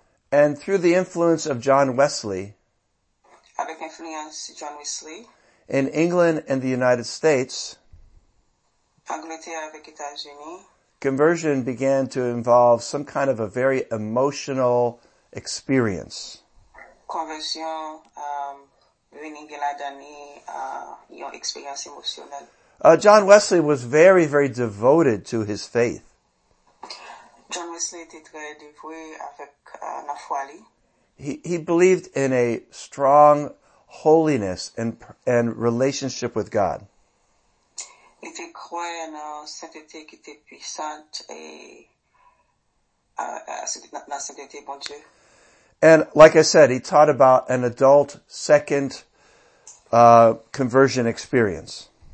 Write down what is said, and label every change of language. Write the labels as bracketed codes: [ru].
[en] And through the influence of John Wesley, [fr] avec influence John Wesley, [en] in England and the United States, [fr] Angleterre avec États-Unis, [en] conversion began to involve some kind of a very emotional experience. [fr] Conversion, venue la donner, une expérience émotionnelle. [en] John Wesley was very, very devoted to his faith. [fr] John Wesley était très dévoué avec la foi. [en] He believed in a strong holiness and relationship with God. [fr] Il était croyant en la sainteté qui était puissante et la sainteté bon Dieu. [en] And like I said, he taught about an adult second conversion experience.